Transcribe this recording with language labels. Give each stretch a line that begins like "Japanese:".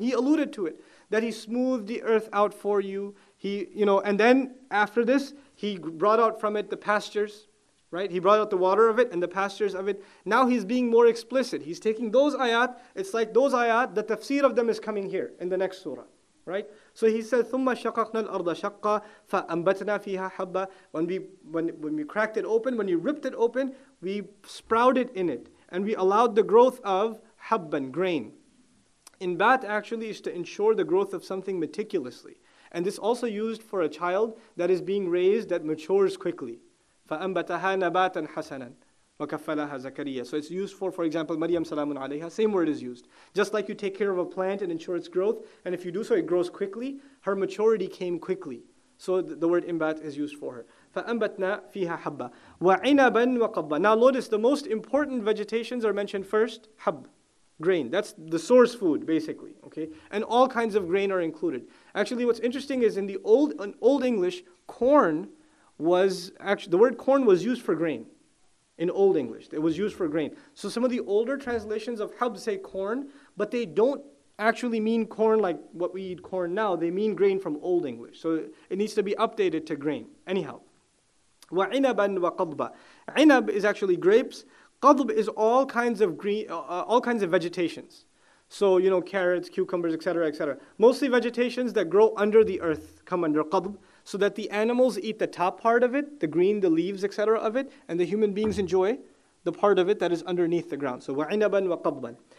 English: He alluded to it, that He smoothed the earth out for you. And then after this, He brought out from it the pastures, right? He brought out the water of it and the pastures of it. Now He's being more explicit. He's taking those ayat, it's like those ayat, the tafsir of them is coming here in the next surah, right? So He said,
Arabic: ثُمَّ شَقَقْنَا الْأَرْضَ شَقَّا فَأَنْبَتْنَا فِيهَا حَبَّا.
English: When we cracked it open, when you ripped it open, we sprouted in it. And we allowed the growth of habban, grain. In bat actually is to ensure the growth of something meticulously. And this also used for a child that is being raised that matures quickly.
Arabic: فَأَنْبَتَهَا نَبَاتًا حَسَنًا وَكَفَّلَهَا زَكَرِيَّا.
English: So it's used for example, Maryam salamun alayha, same word is used. Just like you take care of a plant and ensure its growth, and if you do so, it grows quickly. Her maturity came quickly. So the word imbat is used for her.
Arabic: فَأَنْبَتْنَا فِيهَا حَبَّا وَعِنَبًا وَقَبَّا.
English: Now notice, the most important vegetations are mentioned first, hab. Grain, that's the source food, basically, okay? And all kinds of grain are included. Actually, what's interesting is in old English, corn was, actually, the word corn was used for grain. In Old English, it was used for grain. So some of the older translations of hub say corn, but they don't actually mean corn like what we eat corn now. They mean grain from Old English. So it needs to be updated to grain. Anyhow,
Arabic: وَعِنَبًا وَقَضْبًا.
English: عِنَب is actually grapes. Qadb is all kinds of green, all kinds of vegetations. So, you know, carrots, cucumbers, etc., etc. Mostly vegetations that grow under the earth come under qadb, so that the animals eat the top part of it, the green, the leaves, etc. of it, and the human beings enjoy the part of it that is underneath the ground. So,
Arabic: وَعِنَبًا وَقَضْبًا.